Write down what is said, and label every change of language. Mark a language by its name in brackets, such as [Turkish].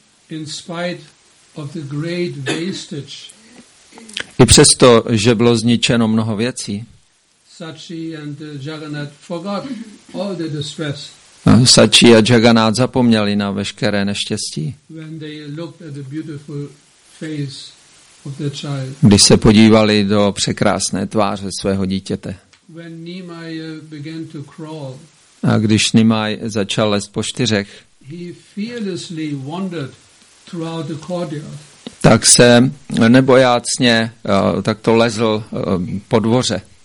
[English] in spite of the great wastage. [Czech] I přesto, že bylo zničeno mnoho věcí. [English] Sachi and Jagannath forgot all the distress. [Czech] Sachi a Jagannath zapomněli na veškeré neštěstí. [English] When they looked at the beautiful face of their child. [Czech] Když se podívali do překrásné tváře svého dítěte. [English] When Nimai began to crawl. [Czech] A když Nimai začal lézt po čtyřech. [English] He fearlessly wandered throughout the courtyard. [Czech] Tak se nebojácně takto lezl po dvoře.